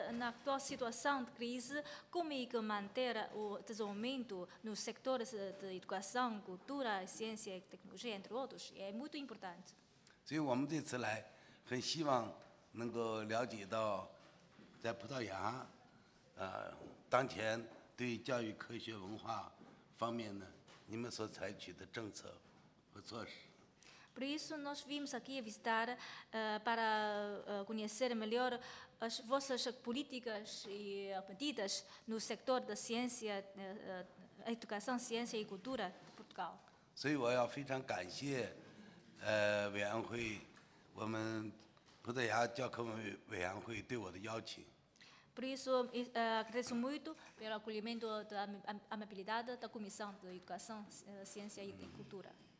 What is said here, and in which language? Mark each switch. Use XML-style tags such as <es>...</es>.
<pt>na atual situação de crise, como é que manter o desenvolvimento nos setores de educação, cultura, ciência e tecnologia, entre outros, é muito importante.</pt> <zh>所以我们这次来，很希望。能够了解到，在葡萄牙，当前对教育、科学、文化方面呢，你们所采取的政策和措施。</zh> <pt>Por isso, nós vimos aqui a visitar para conhecer melhor as vossas políticas e medidas no setor da ciência, educação, ciência e cultura de Portugal.</pt> <zh>所以我要非常感谢，委员会，我们。葡萄牙教科文委员会对我的邀请。</zh> <pt>Por isso, agradeço muito pelo acolhimento da amabilidade da Comissão de Educação, Ciência e Cultura.</pt>